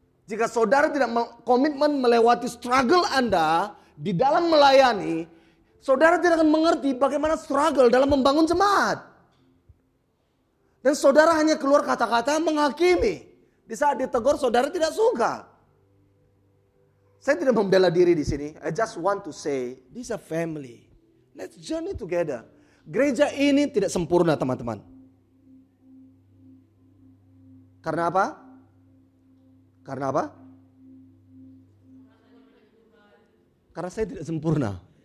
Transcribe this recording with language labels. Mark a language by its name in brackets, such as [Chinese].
[Indonesian] Jika saudara tidak komitmen melewati struggle Anda di dalam melayani, saudara tidak akan mengerti bagaimana struggle dalam membangun jemaat. Dan saudara hanya keluar kata-kata menghakimi. Di saat ditegur, saudara tidak suka. Saya tidak membela diri di sini. [English] I just want to say, this is a family. Let's journey together. [Indonesian] Gereja ini tidak sempurna, teman-teman. Karena apa? Karena apa? Karena saya tidak sempurna.